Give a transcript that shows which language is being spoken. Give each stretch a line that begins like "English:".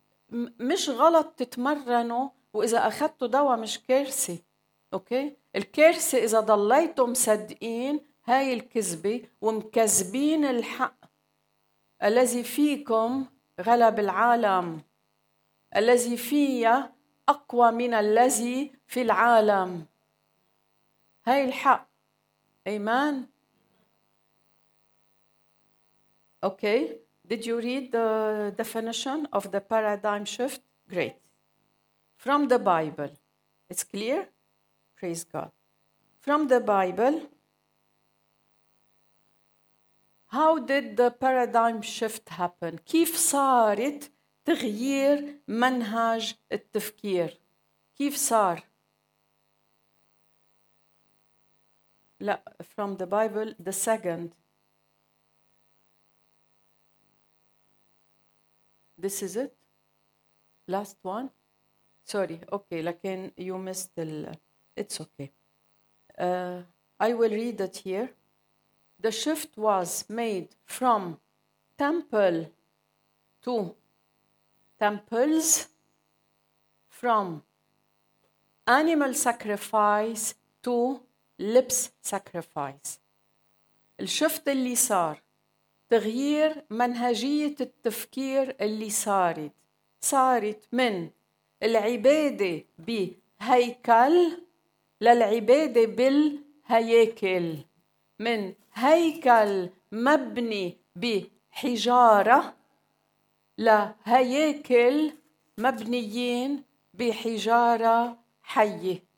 Arabic: مش غلط تتمرنوا وإذا أخذتوا دواء مش كارثة، أوكي؟ الكارثة إذا ضليتوا مصدقين هاي الكذبة ومكذبين الحق الذي فيكم غلب العالم، الذي فيه أقوى من الذي في العالم، هاي الحق. إيمان؟ أوكي؟
English: Did you read the definition of the paradigm shift? Great. From the Bible. It's clear? Praise God. From the Bible, how did the paradigm shift happen?
Arabic: كيف صارت تغيير منهج التفكير؟ كيف صار؟ لا,
English: from the Bible, the second. This is it. Last one. Sorry. Okay.
Arabic: لكن
English: you missed the. It's okay. I will read it here. The shift was made from temple to temples, from animal sacrifice to lips sacrifice.
Arabic: الشفت اللي صار. تغيير منهجية التفكير اللي صارت، صارت من العبادة بهيكل للعبادة بالهياكل، من هيكل مبني بحجارة لهياكل مبنيين بحجارة حية.